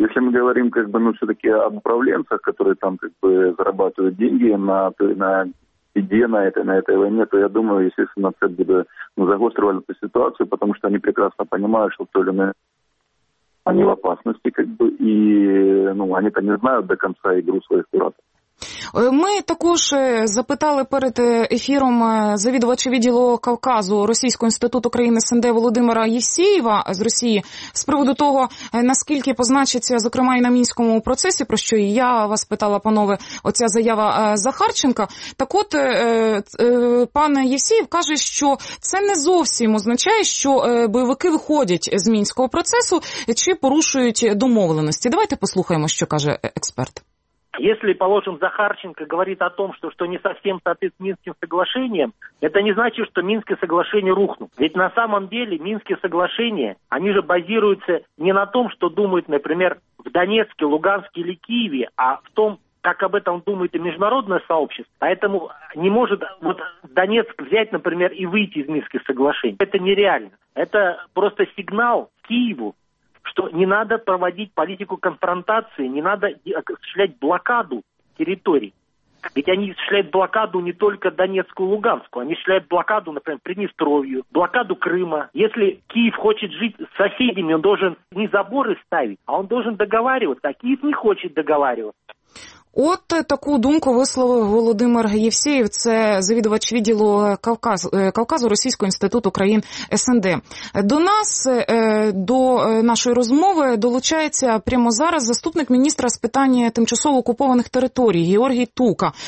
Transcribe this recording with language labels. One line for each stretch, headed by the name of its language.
Russian: Если мы говорим, как бы, ну, все-таки об управленцах, которые там, как бы, зарабатывают деньги на идея на этой войне, то я думаю, естественно, это будет, ну, загострило эту ситуацию, потому что они прекрасно понимают, что в той или иной они в опасности, как бы, и, ну, они-то не знают до конца игру своих куратов.
Ukrainian: Ми також запитали перед ефіром завідувача відділу Кавказу Російського інституту країни СНД Володимира Євсєєва з Росії з приводу того, наскільки позначиться, зокрема, і на мінському процесі, про що і я вас питала, панове, оця заява Захарченка. Так от, пан Євсєєв каже, що це не зовсім означає, що бойовики виходять з мінського процесу чи порушують домовленості. Давайте послухаємо, що каже експерт.
Russian: Если, положим, Захарченко говорит о том, что не совсем соответствует Минским соглашениям, это не значит, что Минские соглашения рухнут. Ведь на самом деле Минские соглашения, они же базируются не на том, что думают, например, в Донецке, Луганске или Киеве, а в том, как об этом думает и международное сообщество. Поэтому не может вот Донецк взять, например, и выйти из Минских соглашений. Это нереально. Это просто сигнал Киеву, что не надо проводить политику конфронтации, не надо осуществлять блокаду территорий. Ведь они осуществляют блокаду не только Донецку и Луганску, они осуществляют блокаду, например, Приднестровью, блокаду Крыма. Если Киев хочет жить с соседями, он должен не заборы ставить, а он должен договариваться, а Киев не хочет договариваться.
Ukrainian: От таку думку висловив Володимир Євсєєв, це завідувач відділу Кавказу Російського інституту країн СНД. До нас, до нашої розмови долучається прямо зараз заступник міністра з питань тимчасово окупованих територій Георгій Тука.